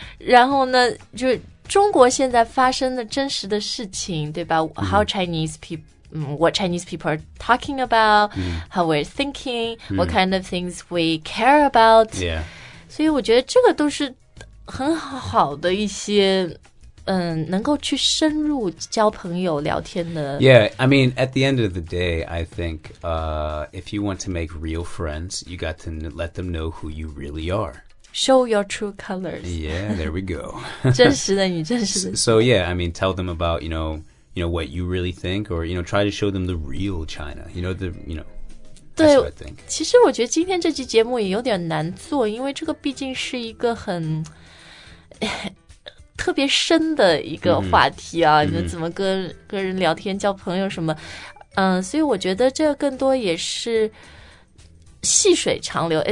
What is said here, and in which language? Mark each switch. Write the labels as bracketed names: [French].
[Chinese] 然后呢，就中国现在发生的真实的事情，对吧 ？ [English] How Chinese people. What Chinese people are talking about,、 mm. how we're thinking,、mm. what kind of things we care about. Yeah. [Chinese] 所以我觉得这个都是很好的一些、能够去深入交朋友聊天的。 [English] Yeah, I mean, at the end of the day, I think、if you want to make real friends, you got to let them know who you really are. Show your true colors. Yeah, there we go. [Chinese] 真实的你真实的。 [English] So yeah, I mean, tell them about, you know,You know, what you really think, or, you know, try to show them the real China. You know, that's what I think. [Chinese] 其实我觉得今天这期节目也有点难做，因为这个毕竟是一个很特别深的一个话题啊，你怎么跟人聊天，交朋友什么，所以我觉得这更多也是细水长流。